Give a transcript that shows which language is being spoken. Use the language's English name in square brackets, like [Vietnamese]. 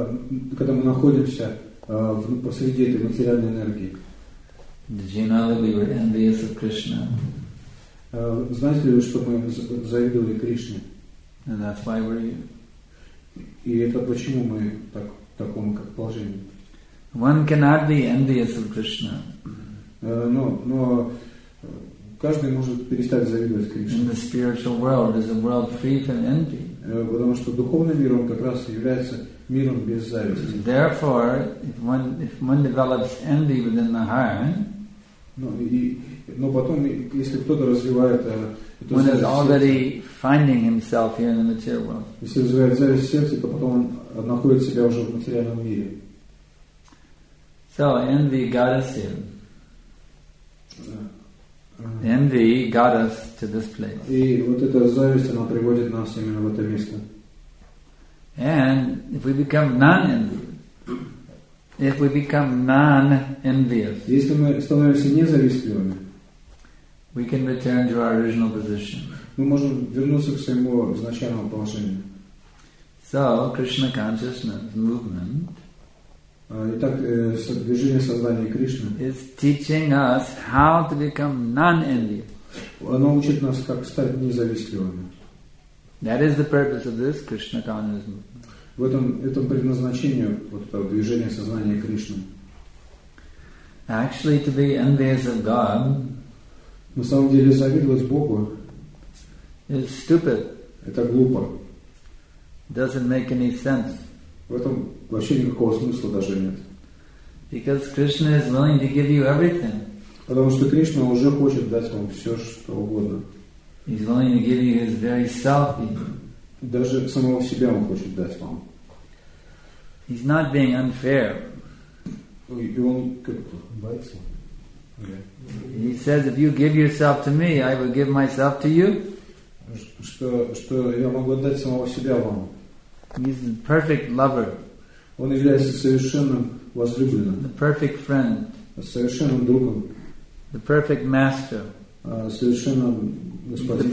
[Russian] Посреди этой материальной энергии. [English] Did you know that we were envious of Krishna? [Russian] Знаете ли вы, что мы завидовали Кришне? [English] And that's why we're here. [Russian] И это почему мы так, в таком как положении? [English] One cannot be envious of Krishna. [Russian] Но каждый может перестать завидовать Кришне. [English] In the spiritual world is a world free from envy. [Russian] Потому что духовный мир, он как раз является миром без зависти. [English] Therefore, if one develops envy within the heart, [Russian] но потом, если кто-то развивает эту зависть, [English] one is already finding himself here in the material world. [Russian] Если развивает зависть в сердце, то потом он находит себя уже в материальном мире. [English] So, envy got us here. Envy got us to this place. [Russian] И вот эта зависть, она приводит нас именно в это место. [English] And if we become non-envious, [Russian] если мы становимся независимыми, [English] we can return to our original position. [Russian] Мы можем вернуться к своему изначальному положению. [English] So, Krishna consciousness movement. [Russian] Итак, движение сознания Кришны. [English] Is teaching us how to become non-envious. [Russian] Оно учит нас, как стать независимыми. [English] That is the purpose of this Krishna consciousness movement. [Russian] В этом предназначении вот этого движения сознания Кришны. [English] Actually, to be envious of God, [Russian] на самом деле завидовать Богу, [English] is stupid. [Russian] Это глупо. [English] Doesn't make any sense. [Russian] В этом вообще никакого смысла даже нет. [English] Because Krishna is willing to give you everything. [Russian] Потому что Кришна уже хочет дать вам все, что угодно. [English] He's willing to give you his very self. [Russian] Даже самого себя он хочет дать вам. [English] He's not being unfair. He says, if you give yourself to me, I will give myself to you. [Russian] Что я могу отдать самого себя вам? [English] He's the perfect lover. [Russian] Он является совершенным возлюбленным. [English] The perfect friend. [Russian] Совершенным другом. [English] The perfect master. [Russian] Совершенным господином.